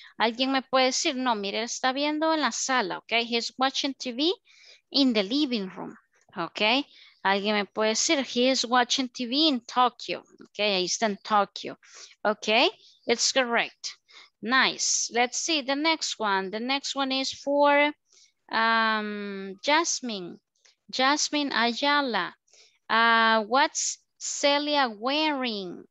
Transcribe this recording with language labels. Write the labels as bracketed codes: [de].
[es] Alguien me puede decir, no, mire, está viendo en la sala, okay? [en] He's watching TV in the living room, okay? [es] Alguien me puede decir, [en] he is watching TV in Tokyo. Okay, he's in Tokyo. Okay, it's correct. Nice. Let's see the next one. The next one is for Jasmine. Jasmine Ayala. What's Celia wearing?